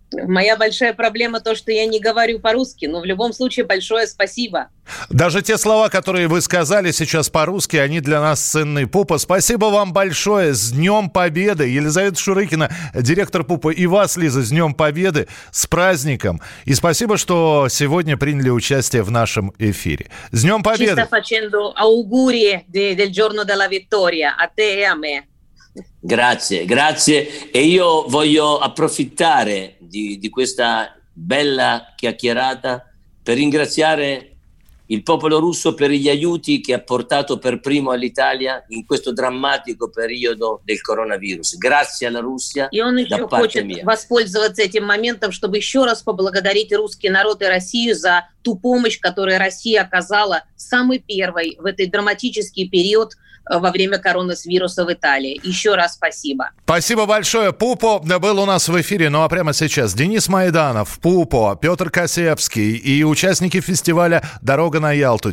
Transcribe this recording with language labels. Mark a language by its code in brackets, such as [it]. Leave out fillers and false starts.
[ru] Моя большая проблема то, что я не говорю по-русски, но в любом случае большое спасибо. Даже те слова, которые вы сказали сейчас по-русски, они для нас ценны. Пупо, спасибо вам большое. С Днем Победы. Елизавета Шурыкина, директор Пупо, и вас, Лиза, с Днем Победы, с праздником. И спасибо, что сегодня приняли участие в нашем эфире. С Днем Победы. Чисто [it] facendo auguri del giorno della vittoria a te e a me. Grazie, grazie. E io voglio approfittare di questa bella chiacchierata per ringraziare il popolo russo per gli aiuti che ha portato per primo all'Italia in questo drammatico periodo del coronavirus. Grazie alla Russia da parte mia. [ru] Воспользоваться этим моментом, чтобы ещё раз поблагодарить русский народ и Россию за ту помощь, которую Россия оказала самой первой в этот драматический период во время коронавируса в Италии. Еще раз спасибо. Спасибо большое, Пупо. Был у нас в эфире, ну а прямо сейчас Денис Майданов, Пупо, Петр Касевский и участники фестиваля «Дорога на Ялту.